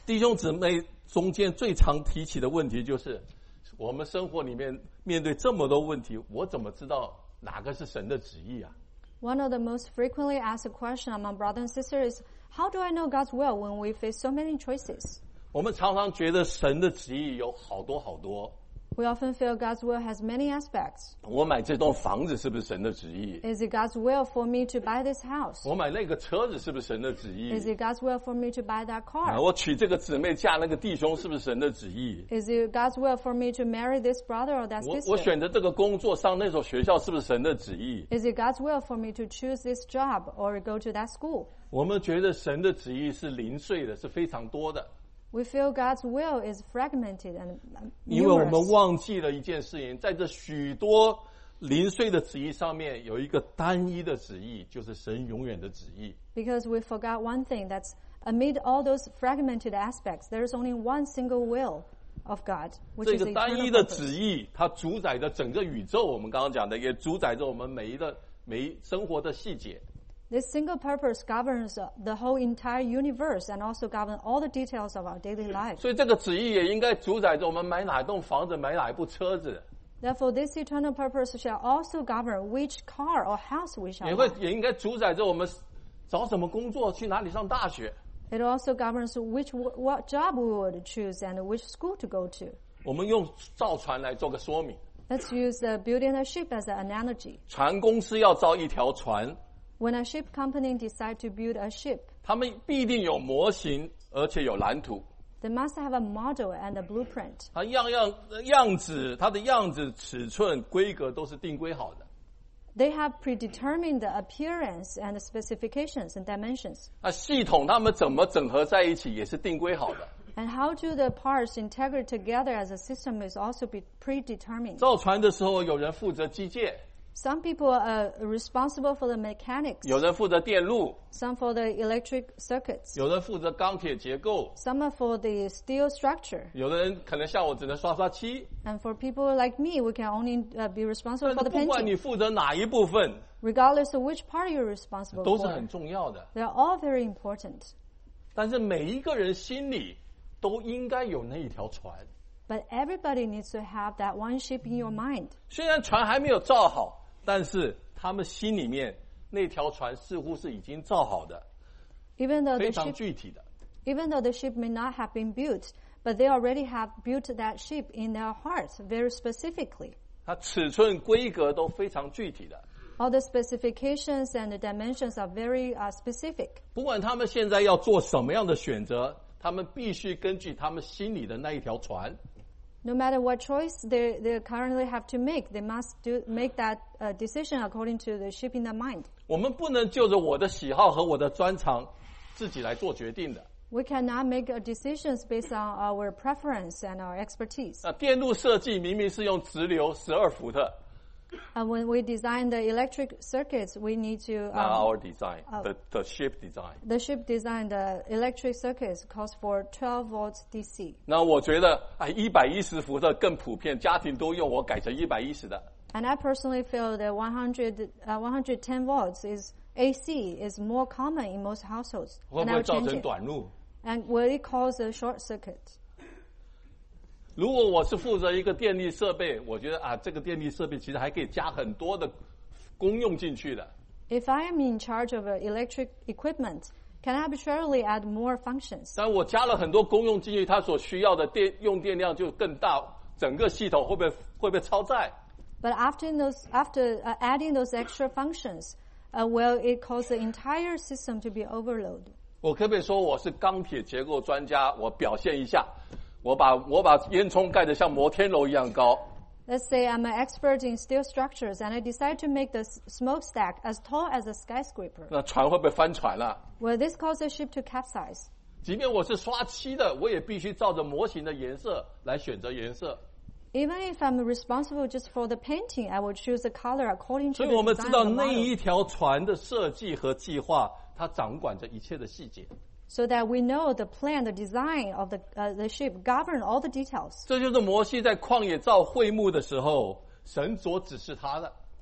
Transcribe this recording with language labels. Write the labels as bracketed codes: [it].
[zh] 弟兄姊妹中间最常提起的问题就是，我们生活里面面对这么多问题，我怎么知道哪个是神的旨意啊 [en] ？One of the most frequently asked questions among brothers and sisters is, how do I know God's will when we face so many choices? [zh] 我们常常觉得神的旨意有好多好多。 [en] We often feel God's will has many aspects. [zh] 我买这栋房子是不是神的旨意 [en] ？Is it God's will for me to buy this house？ [zh] 我买那个车子是不是神的旨意 [en] ？Is it God's will for me to buy that car？ [zh] 我娶这个姊妹嫁那个弟兄是不是神的旨意 [en] ？Is it God's will for me to marry this brother or that sister？ [zh] 我选择这个工作上那所学校是不是神的旨意 [en] ？Is it God's will for me to choose this job or go to that school？ [zh] 我们觉得神的旨意是零碎的，是非常多的。 [en] We feel God's will is fragmented and numerous. [zh] 因为我们忘记了一件事情，在这许多零碎的旨意上面，有一个单一的旨意，就是神永远的旨意。 [en] Because we forgot one thing, that amid all those fragmented aspects, there is only one single will of God, which is eternal purpose. [zh] 这个单一的旨意，它主宰着整个宇宙。我们刚刚讲的，也主宰着我们每生活的细节。 [en] This single purpose governs the whole entire universe and also governs all the details of our daily life. [zh] 所以这个旨意也应该主宰着我们买哪栋房子，买哪一部车子。 [en] Therefore, this eternal purpose shall also govern which car or house we shall buy. [zh] 也应该主宰着我们找什么工作，去哪里上大学。 [en] It also governs which what job we would choose and which school to go to. [zh] 我们用造船来做个说明。 [en] Let's use the building a ship as an analogy. [zh] 船公司要造一条船。 [en] When a ship company decides to build a ship, [zh] 他们必定有模型，而且有蓝图。 [en] They must have a model and a blueprint. [zh] 它样子，它的样子、尺寸、规格都是定规好的。 [en] They have predetermined the appearance and the specifications and dimensions. [zh] 那系统他们怎么整合在一起也是定规好的。 [en] And how do the parts integrate together as a system is also be predetermined. [zh] 造船的时候，有人负责机械。 [en] Some people are responsible for the mechanics. [zh] 有人负责电路。 [en] Some for the electric circuits. [zh] 有人负责钢铁结构。 [en] Some are for the steel structure. [zh] 有人可能像我只能刷刷漆。 [en] And for people like me, we can only be responsible for the painting. [zh] 不管你负责哪一部分。 [en] Regardless of which part you're responsible for. [zh] 都是很重要的。 [en] They're all very important. [zh] 但是每一个人心里都应该有那一条船。 [en] But everybody needs to have that one ship in your mind. [zh] 虽然船还没有造好，但是他们心里面那条船似乎是已经造好的，非常具体的。 [en] Even though the ship may not have been built, but they already have built that ship in their hearts very specifically. [zh] 它尺寸规格都非常具体的。 [en] All the specifications and the dimensions are very specific. [zh] 不管他们现在要做什么样的选择，他们必须根据他们心里的那一条船。 [en] No matter what choice they currently have to make, they must make that decision according to the ship in their mind. [zh] 我们不能就着我的喜好和我的专长自己来做决定的。 [en] We cannot make decisions based on our preference and our expertise. [zh] 那电路设计明明是用直流12伏特。 [en] When we design the electric circuits, we need to... Not our design, the ship design. The ship design, the electric circuits, calls for 12 volts DC. [zh] 那我觉得110伏特更普遍，家庭都用，我改成110的。 [en] And I personally feel that 110 volts is AC is more common in most households. [zh] 会不会造成短路 [en] ？And will it cause a short circuit? [zh] 如果我是负责一个电力设备，我觉得这个电力设备其实还可以加很多的功用进去的。 [en] If I am in charge of electric equipment, can I arbitrarily add more functions? [zh] 但我加了很多功用进去，它所需要的用电量就更大，整个系统会不会超载 [en] ？But after adding those extra functions, will it cause the entire system to be overload? [zh] 我可不可以说我是钢铁结构专家，我表现一下？我把烟囱盖得像摩天楼一样高。 [en] Let's say I'm an expert in steel structures and I decide to make the smokestack as tall as a skyscraper. [zh] 那船会不会翻船了 [en] ？Will this cause the ship to capsize? [zh] 即便我是刷漆的，我也必须照着模型的颜色来选择颜色。 [en] Even if I'm responsible just for the painting, I will choose the color according to the [zh] 所以我们知道那一条船的设计和计划，它掌管着一切的细节。 [en] So that we know the plan, the design of the ship govern all the details. [zh] 这就是摩西在旷野造会幕的时候，神所指示他的。